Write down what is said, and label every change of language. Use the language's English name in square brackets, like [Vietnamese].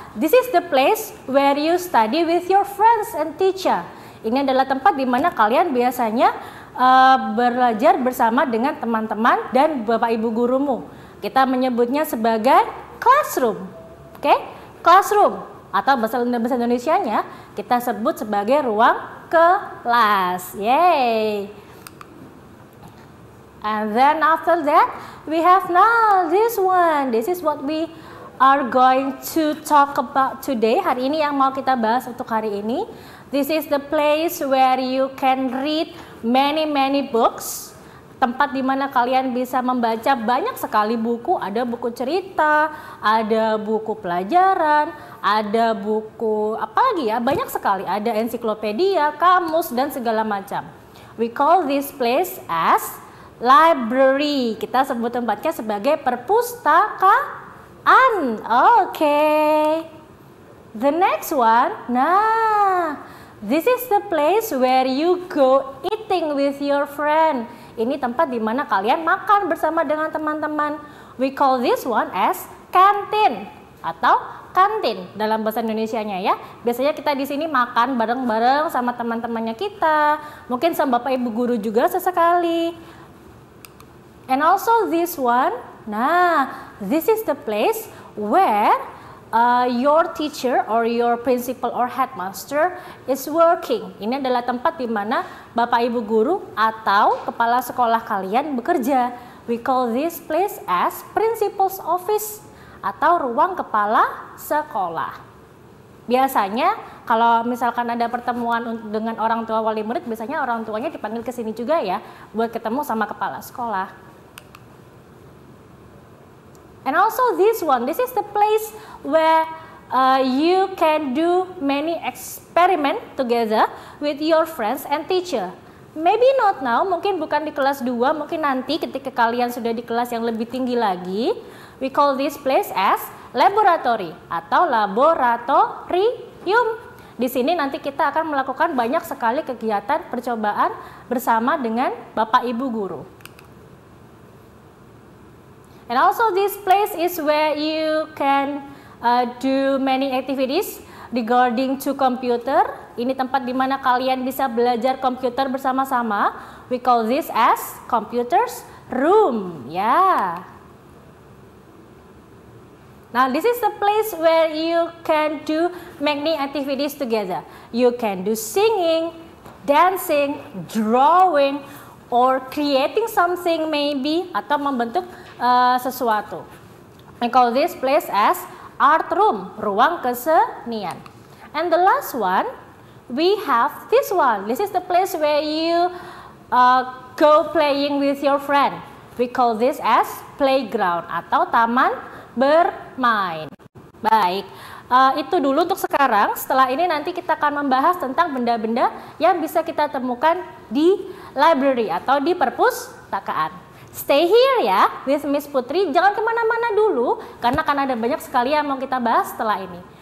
[English] This is the place where you study with your friends and teacher. [Indonesian] Ini adalah tempat di mana kalian biasanya belajar bersama dengan teman-teman dan bapak ibu gurumu. Kita menyebutnya sebagai classroom. Oke, classroom. Atau bahasa Indonesia-nya kita sebut sebagai ruang kelas. Yay. [English] And then after that we have now this one. This is what we are going to talk about today. [Indonesian] Hari ini yang mau kita bahas untuk hari ini, [English] this is the place where you can read many many books. [Indonesian] Tempat di mana kalian bisa membaca banyak sekali buku, ada buku cerita, ada buku pelajaran, ada buku apa lagi ya? Banyak sekali, ada ensiklopedia, kamus dan segala macam. [English] We call this place as library. [Indonesian] Kita sebut tempatnya sebagai perpustakaan. [English] Okay. The next one. Nah, this is the place where you go eating with your friend. [Indonesian] Ini tempat di mana kalian makan bersama dengan teman-teman. [English] We call this one as kantin [Indonesian] atau kantin dalam bahasa Indonesianya ya. Biasanya kita di sini makan bareng-bareng sama teman-temannya kita, mungkin sama Bapak Ibu guru juga sesekali. [English] And also this one. Nah, this is the place where your teacher or your principal or headmaster is working. [Indonesian] Ini adalah tempat di mana Bapak Ibu guru atau kepala sekolah kalian bekerja. [English] We call this place as principal's office [Indonesian] atau ruang kepala sekolah. Biasanya kalau misalkan ada pertemuan dengan orang tua wali murid, biasanya orang tuanya dipanggil ke sini juga ya buat ketemu sama kepala sekolah. [English] And also this one, this is the place where you can do many experiment together with your friends and teacher. Maybe not now, [Indonesian] mungkin bukan di kelas 2, mungkin nanti ketika kalian sudah di kelas yang lebih tinggi lagi. [English] We call this place as laboratory atau laboratorium. [Indonesian] Di sini nanti kita akan melakukan banyak sekali kegiatan percobaan bersama dengan Bapak Ibu guru. [English] And also this place is where you can do many activities regarding to computer. [Indonesian] Ini tempat di mana kalian bisa belajar komputer bersama-sama. [English] We call this as computer's room. Yeah. Now this is the place where you can do many activities together. You can do singing, dancing, drawing, or creating something maybe, [Indonesian] atau membentuk sesuatu. [English] I call this place as art room, [Indonesian] ruang kesenian. [English] And the last one, we have this one. This is the place where you go playing with your friend. We call this as playground [Indonesian] atau taman bermain. Baik, itu dulu untuk sekarang. Setelah ini nanti kita akan membahas tentang benda-benda yang bisa kita temukan di library atau di perpustakaan. [English] Stay here [Indonesian] ya, with Miss Putri. Jangan kemana-mana dulu, karena akan ada banyak sekali yang mau kita bahas setelah ini.